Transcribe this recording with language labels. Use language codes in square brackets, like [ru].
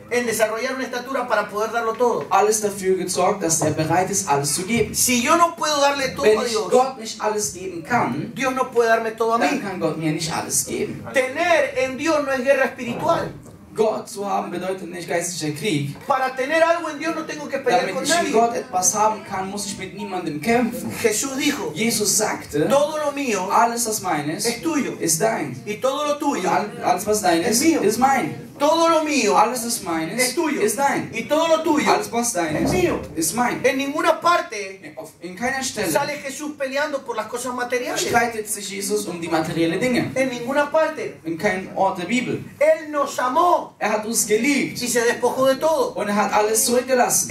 [es] en desarrollar una estatura para poder darlo todo. [de] Alles dafür gezorgt, dass er bereit ist, alles zu geben. [es] Si yo no puedo darle todo [de] Wenn [es] a Dios, [de] ich Gott nicht alles geben kann, [es] Dios no puede darme todo a [de] dann [es] mí. [de] Kann Gott mir nicht alles geben. [es] Tener en Dios no es guerra espiritual. [de] Gott zu haben bedeutet nicht geistlicher Krieg. [es] Para tener algo en Dios, no tengo que pelear [de] Damit [es] con [de] ich [es] nadie. [de] Gott etwas haben kann, muss ich mit niemandem kämpfen. [es] Jesús dijo, [de] Jesus sagte, [es] todo lo mío [de] alles was meines [es] es tuyo. [de] Ist dein. [es] Y todo lo tuyo [de] alles was dein ist, [es] mío. [de] Ist mein. [es] Todo lo mío [de] alles was meines [es] es tuyo. [de] Ist dein. [es] Y todo lo tuyo [de] alles was dein ist, [es] mío. [de] Ist mein. [es] En ninguna parte [de] in keiner Stelle [es] sale Jesús peleando por las cosas materiales. [de] Streitet sich Jesus um die materiellen Dinge. [es] En ninguna parte. [de] In keinem Ort der Bibel. [es] Él nos amó. [de] Er hat uns geliebt. [es] Y se despojó de todo. [de] Und er hat alles zurückgelassen.